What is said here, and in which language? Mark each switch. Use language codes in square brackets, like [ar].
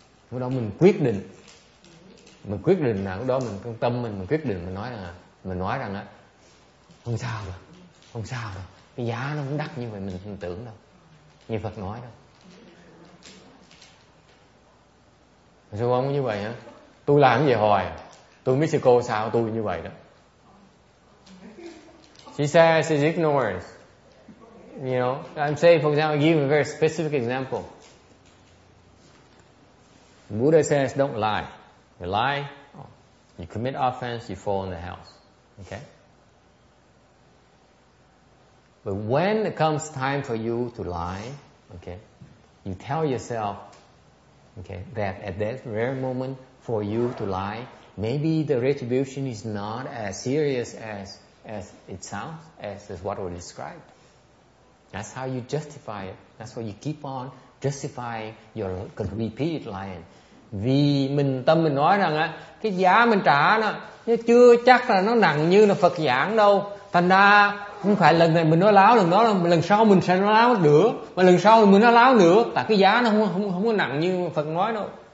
[vi] Lúc đó mình quyết định. Mình quyết định nào, lúc đó mình trong tâm mình quyết định mình nói rằng á không sao đâu. Không sao đâu, cái giá nó cũng đắt như vậy mình không tưởng đâu. Như Phật nói đâu. Sư cô như vậy hả? Tôi làm cái gì hoài, tôi biết sư cô sao tôi như vậy đó. [en] She says it's ignorance. You know, I'm saying for example, I give a very specific example. Buddha says don't lie. You lie, you commit offense, you fall in the house. Okay? But when it comes time for you to lie, okay, you tell yourself, okay, that at that rare moment for you to lie, maybe the retribution is not as serious as it sounds, as what we described. That's how you justify it. That's why you keep on justifying your repeated lying. [vi] Vì mình tâm mình nói rằng á, cái giá mình trả nó chưa chắc là nó nặng như là Phật giảng đâu. Thành ra không phải lần này mình nói láo, lần đó là lần sau mình sẽ nói láo nữa, mà lần sau mình nói láo nữa, tại cái giá nó không có nặng như Phật nói đâu.